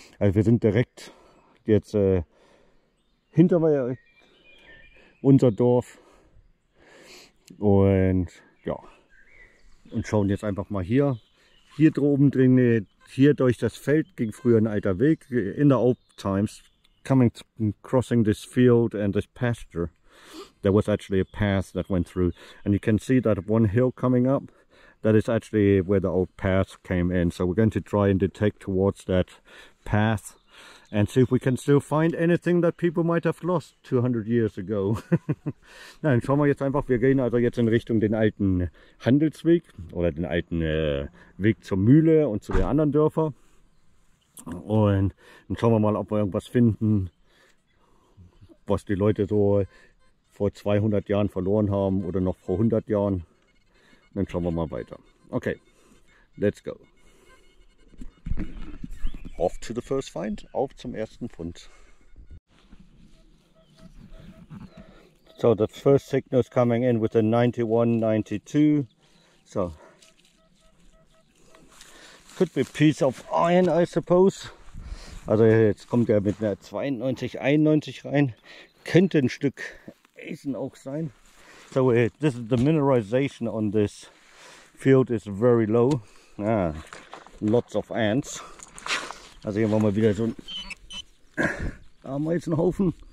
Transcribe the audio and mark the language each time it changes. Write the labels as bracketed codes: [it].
[de] Also wir sind direkt jetzt hinter unser Dorf und ja, und schauen jetzt einfach mal hier. Hier droben drin, hier durch das Feld ging früher ein alter Weg. [en] In the old times, coming crossing this field and this pasture, there was actually a path that went through. And you can see that one hill coming up, that is actually where the old path came in. So we're going to try and detect towards that path and see if we can still find anything that people might have lost 200 years ago. [de] Nein, schauen wir jetzt einfach. Wir gehen also jetzt in Richtung den alten Handelsweg oder den alten Weg zur Mühle und zu den anderen Dörfern. Und dann schauen wir mal, ob wir irgendwas finden, was die Leute so vor 200 Jahren verloren haben oder noch vor 100 Jahren. Und dann schauen wir mal weiter. [en] Okay, let's go. Off to the first find, [de] auf zum ersten Fund. [en] So the first signal is coming in with a 9192. So, could be a piece of iron, I suppose. [de] Also jetzt kommt er mit einer 9291 rein. Könnte ein Stück Eisen auch sein. [en] So this is the mineralization on this field is very low. Ah, lots of ants. [de] Also hier haben wir wieder so einen Ameisenhaufen.